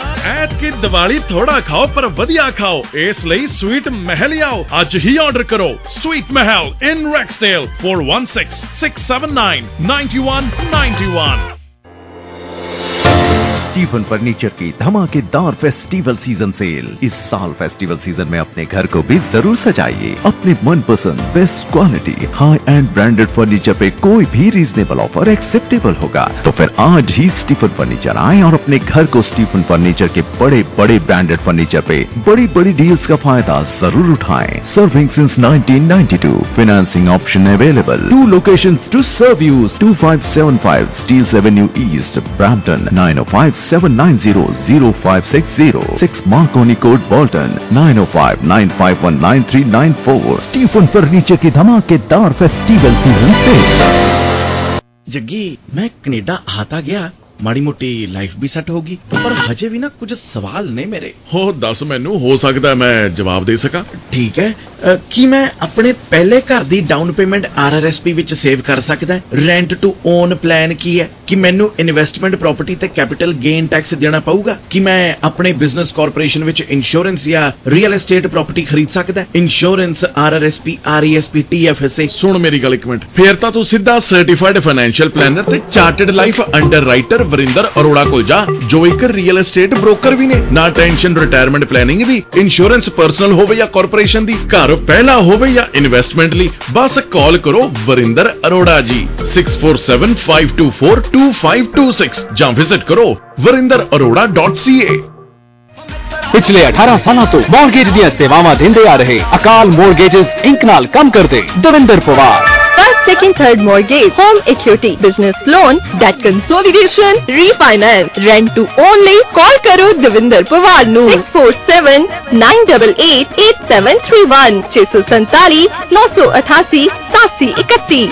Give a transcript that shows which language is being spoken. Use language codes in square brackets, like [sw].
[pa] ਐਤਕੀ ਦੀਵਾਲੀ ਥੋੜਾ ਖਾਓ ਪਰ ਵਧੀਆ ਖਾਓ ਇਸ ਲਈ ਸਵੀਟ ਮਹਿਲ ਆਓ ਅੱਜ ਹੀ ਆਰਡਰ ਕਰੋ ਸਵੀਟ ਮਹਿਲ ਇਨ ਰੈਕਸਡੇਲ 416-679-9191 [hi] स्टीफन फर्नीचर की धमाकेदार फेस्टिवल सीजन सेल इस साल फेस्टिवल सीजन में अपने घर को भी जरूर सजाइए अपने मनपसंद best quality high and branded furniture पे कोई भी रीजनेबल ऑफर एक्सेप्टेबल होगा तो फिर आज ही स्टीफन फर्नीचर आए और अपने घर को स्टीफन फर्नीचर के बड़े बड़े ब्रांडेड फर्नीचर पे बड़ी बड़ी डील्स का फायदा जरूर उठाएं serving since 1992 financing option available to locations to serve you 2575 steel Avenue east Brampton 905-790-0560 6 Marconi Code Bolton 905-951-9394 Stephen Furniture ki dhamakedar festival season Jaggi, main Canada aata gaya [pa] ਮਾੜੀ ਮੋਟੀ life ਵੀ set ਹੋਗੀ ਪਰ ਹਜੇ ਵੀ ਨਾ ਕੁਝ ਸਵਾਲ ਨੇ ਮੇਰੇ ਹੋ ਦੱਸ ਮੈਨੂੰ ਹੋ ਸਕਦਾ ਮੈਂ ਜਵਾਬ ਦੇ ਸਕਾਂ ਠੀਕ ਹੈ ਕੀ ਮੈਂ ਆਪਣੇ ਪਹਿਲੇ ਘਰ ਦੀ ਡਾਊਨ ਪੇਮੈਂਟ RRSP ਵਿੱਚ ਸੇਵ ਕਰ ਸਕਦਾ ਰੈਂਟ ਟੂ ਓਨ ਪਲਾਨ ਕੀ ਹੈ ਕੀ ਮੈਨੂੰ ਇਨਵੈਸਟਮੈਂਟ ਪ੍ਰੋਪਰਟੀ ਤੇ ਕੈਪੀਟਲ ਗੇਨ ਟੈਕਸ ਦੇਣਾ ਪਊਗਾ ਕੀ ਮੈਂ ਆਪਣੇ ਬਿਜ਼ਨਸ ਕਾਰਪੋਰੇਸ਼ਨ ਵਿੱਚ ਇੰਸ਼ੋਰੈਂਸ ਜਾਂ ਰੀਅਲ ਅਸਟੇਟ ਪ੍ਰੋਪਰਟੀ ਖਰੀਦ ਸਕਦਾ ਇੰਸ਼ੋਰੈਂਸ RRSP RESP TFSA ਸੁਣ ਮੇਰੀ ਗੱਲ ਇੱਕ ਮਿੰਟ ਫੇਰ ਤਾਂ ਤੂੰ ਸਿੱਧਾ ਸਰਟੀਫਾਈਡ ਫਾਈਨੈਂਸ਼ੀਅਲ ਪਲੈਨਰ ਤੇ chartered life under writer Varinder Arora ਕੋਲ ਜਾ ਜੋ ਇੱਕ ਰੀਅਲ ਅਸਟੇਟ ਬ੍ਰੋਕਰ ਵੀ ਨੇ ਨਾ ਟੈਂਸ਼ਨ ਰਿਟਾਇਰਮੈਂਟ ਪਲੈਨਿੰਗ ਦੀ ਇੰਸ਼ੋਰੈਂਸ ਪਰਸਨਲ ਹੋਵੇ ਜਾਂ ਕਾਰਪੋਰੇਸ਼ਨ ਦੀ ਘਰ ਪਹਿਲਾ ਹੋਵੇ ਜਾਂ ਇਨਵੈਸਟਮੈਂਟ ਲਈ ਬਸ ਕਾਲ ਕਰੋ ਵਰਿੰਦਰ ਅਰੋੜਾ ਜੀ 6475242526 ਜਾਂ ਵਿਜ਼ਿਟ ਕਰੋ ਵਰਿੰਦਰ ਅਰੋੜਾ .ca ਪਿਛਲੇ 18 ਸਾਲਾਂ ਤੋਂ ਮੋਰਗੇਜ ਦੀਆਂ ਸੇਵਾਵਾਂ ਦਿੰਦੇ ਆ ਰਹੇ ਅਕਾਲ ਮੋਰਗੇਜਸ ਇੰਕ ਨਾਲ ਕੰਮ ਕਰਦੇ Davinder Pawar [en] First, second, third mortgage, home equity, business loan, debt consolidation, refinance, rent to own lease. [pa] Call Karo Devinder Pawar nu 647-988-8731-647-988-8731.